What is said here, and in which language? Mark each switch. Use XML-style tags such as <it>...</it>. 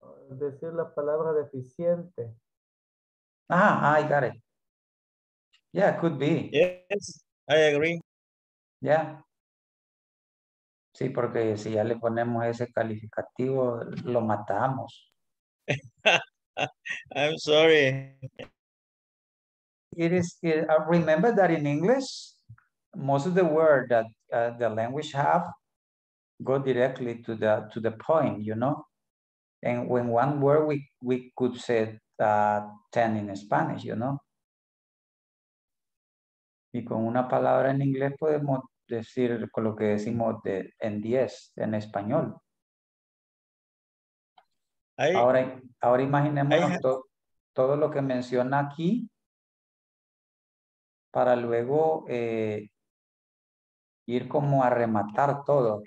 <es>Decir la palabra deficiente.</es> <en>Ah, I got it. Yeah, it could be. Yes, I agree. Yeah.</en> <es>Sí, porque si ya le ponemos ese calificativo, lo matamos.</es> <en>I'm sorry. Remember that in English, most of the word that the language have go directly to the point, you know? And when one word, we could say 10 in Spanish, you know?</en> <es>Y con una palabra en inglés podemos decir con lo que decimos en 10 en español. Ahora imaginemos todo lo que menciona aquí para luego ir como a rematar todo.</es>